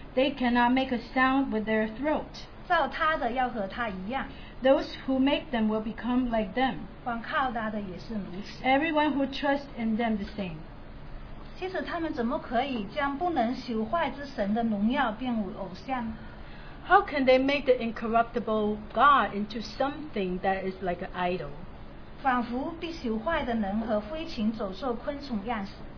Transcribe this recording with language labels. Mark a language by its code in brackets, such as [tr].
[en] They cannot make a sound with their throat. [zh] 造他的要和他一样。 [en] Those who make them will become like them. [zh] 管靠他的也是如此。 [en] Everyone who trusts in them the same. [zh] 其实他们怎么可以将不能朽坏之神的荣耀变为偶像 [en] How can they make the incorruptible God into something that is like an idol? [zh] 仿佛被朽坏的人和飞禽走兽昆虫样式